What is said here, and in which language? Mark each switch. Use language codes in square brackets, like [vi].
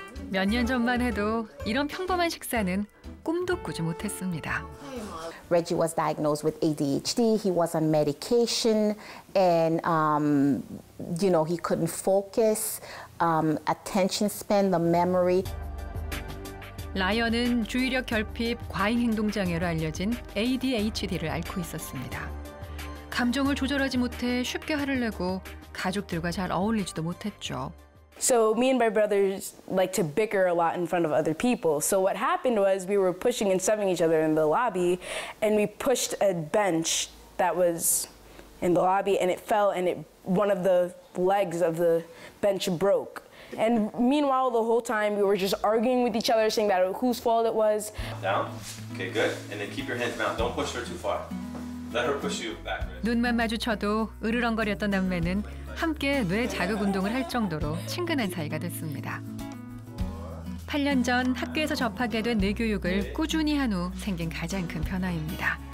[ko] 몇 년 전만 해도 이런 평범한 식사는 꿈도 꾸지 못했습니다. [en] Reggie was diagnosed with ADHD. He was on medication and you know, he couldn't focus. Attention span, the memory. [ko] 라이언은 주의력 결핍, 과잉 행동 장애로 알려진 ADHD를 앓고 있었습니다. 감정을 조절하지 못해 쉽게 화를 내고 가족들과 잘 어울리지도 못했죠. [en] So me and my brothers like to bicker a lot in front of other people. So what happened was we were pushing and shoving each other in the lobby and we pushed a bench that was in the lobby and it fell and it one of the legs of the bench broke. And meanwhile, the whole time, we were just arguing with each other, saying that whose fault it was. Down. Okay, good. And then keep your hands down. Don't push her too far. Let her push you backwards. [ko] 눈만 마주쳐도 으르렁거렸던 남매는 함께 뇌 자극 운동을 할 정도로 친근한 사이가 됐습니다. 8년 전 학교에서 접하게 된 뇌교육을 꾸준히 한 후 생긴 가장 큰 변화입니다.